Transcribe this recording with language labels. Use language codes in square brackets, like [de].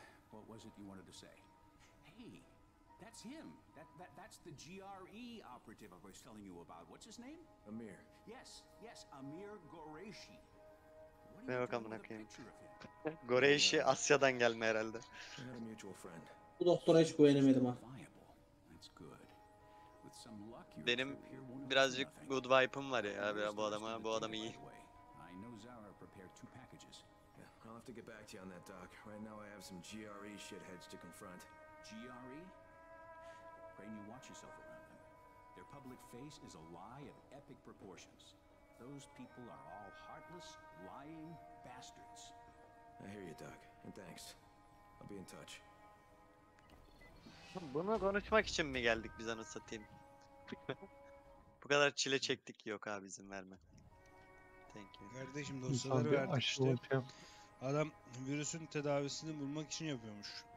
[en] What was it you wanted to say? Hey, that's him. That's the GRE operative I was telling you about. What's his name? Amir. Yes, yes, Amir Goreshi. What are you doing with a picture of him? [tr] Goreshi, Asya'dan gelme herhalde. [en] We had a mutual friend. [tr] Bu doktora hiç güvenemedim ha. [en] That's good. With some luck, you're [tr] benim birazcık good vibe'ım var ya. Bu adam iyi. [en] I know Zara prepared two packages. I'll have to get back to you on that, Doc. Right now I have some GRE shitheads to confront. GRE? Crane, you watch yourself around them. Their public face is a lie of epic proportions. Those people are all heartless, lying bastards. I hear you, Doc. And thanks. I'll be in touch. [tr] Bunu konuşmak için mi geldik biz anı satayım? Bu kadar çile çektik yok abi izin verme. [en] Thank you. [tr] Kardeşim dostları verdik işte. Adam virüsün tedavisini bulmak için yapıyormuş.